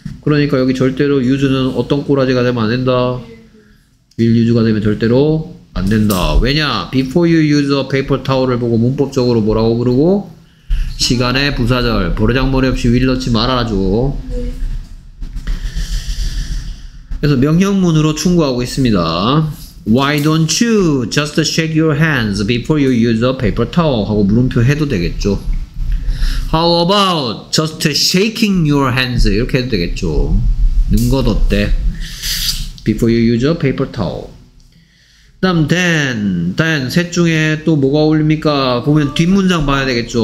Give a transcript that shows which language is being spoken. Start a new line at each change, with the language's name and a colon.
Korean: 그러니까 여기 절대로 유즈는 어떤 꼬라지가 되면 안 된다. 윌 유즈가 되면 절대로 안 된다. 왜냐?
English: Before you use a paper towel을
Korean: 보고 문법적으로 뭐라고 부르고? 시간의 부사절. 버르장머리 없이 윌 넣지 말아라죠. 그래서 명령문으로 충고하고 있습니다.
English: Why don't you just shake your hands before you use a paper towel?
Korean: 하고 물음표 해도 되겠죠.
English: How about just shaking your hands?
Korean: 이렇게 해도 되겠죠. 는 것 어때?
English: Before you use a paper towel.
Korean: 그 다음 then 셋 중에 또 뭐가 어울립니까? 보면 뒷문장 봐야 되겠죠.